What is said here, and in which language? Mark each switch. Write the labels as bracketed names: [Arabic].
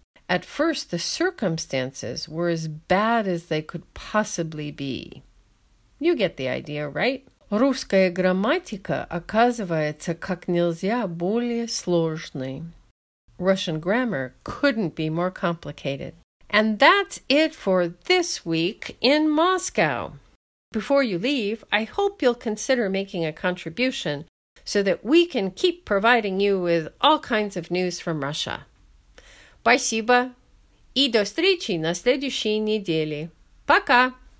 [English] At first, the circumstances were as bad as they could possibly be. You get the idea, right? [Russian] Русская грамматика оказывается как нельзя более сложной. [English] Russian grammar couldn't be more complicated. And that's it for this week in Moscow. Before you leave, I hope you'll consider making a contribution so that we can keep providing you with all kinds of news from Russia. [Russian] Спасибо. И до встречи на следующей неделе. Пока.